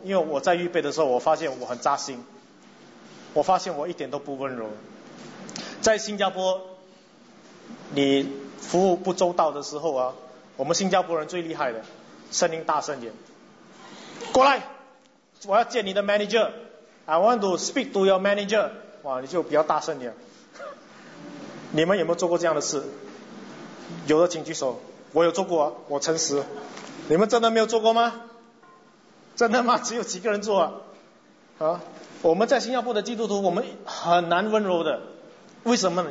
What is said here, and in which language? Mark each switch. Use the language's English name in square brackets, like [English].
[Chinese] 因为我在预备的时候，我发现我很扎心，我发现我一点都不温柔。在新加坡，你服务不周到的时候啊，我们新加坡人最厉害的，声音大声点，过来，我要见你的 manager。 [English] I want to speak to your manager。 [Chinese] 哇，你就比较大声点。你们有没有做过这样的事？有的请举手。我有做过，我诚实。你们真的没有做过吗？真的吗？只有几个人做 啊？我们在新加坡的基督徒，我们很难温柔的。为什么呢？